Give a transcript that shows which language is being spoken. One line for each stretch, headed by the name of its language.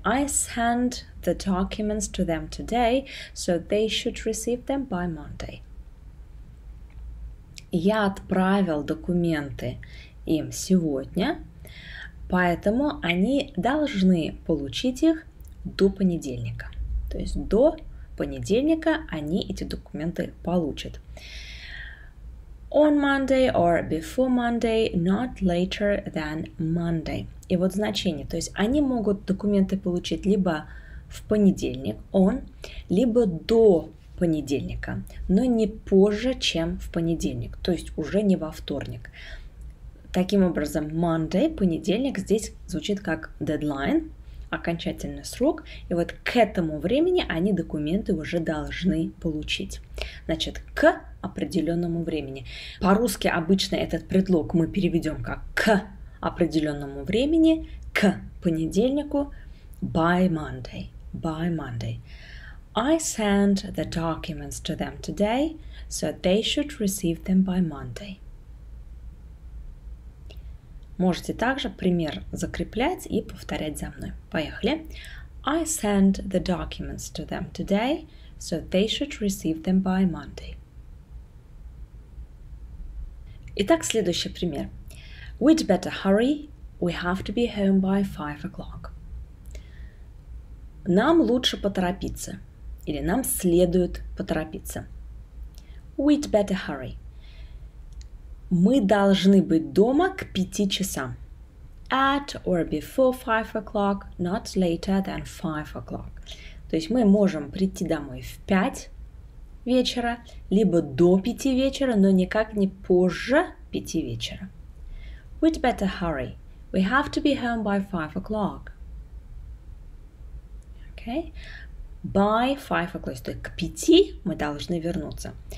English: I send the documents to them today, so they should receive them by Monday.
Russian: Я отправил документы им сегодня, поэтому они должны получить их до понедельника. То есть до понедельника они эти документы получат.
English: On Monday or before Monday, not later than Monday.
Russian: И вот значение. То есть они могут документы получить либо в понедельник, on, либо до понедельника, но не позже, чем в понедельник, то есть уже не во вторник. Таким образом, Monday, понедельник, здесь звучит как deadline, окончательный срок. И вот к этому времени они документы уже должны получить. Значит, к определенному времени. По-русски обычно этот предлог мы переведем как к определенному времени, к понедельнику,
English: by Monday, by Monday. I send the documents to them today, so they should receive them by Monday.
Russian: Можете также пример закреплять и повторять за мной. Поехали.
English: I send the documents to them today, so they should receive them by Monday.
Russian: Итак, следующий пример.
English: We'd better hurry. We have to be home by 5 o'clock.
Russian: Нам лучше поторопиться. Или нам следует поторопиться.
English: We'd better hurry.
Russian: Мы должны быть дома к 5 часам.
English: At or before 5 o'clock, not later than 5 o'clock.
Russian: То есть мы можем прийти домой в 5 вечера, либо до 5 вечера, но никак не позже 5 вечера.
English: We'd better hurry. We have to be home by 5 o'clock. Okay. By 5 o'clock,
Russian: то есть к 5 мы должны вернуться.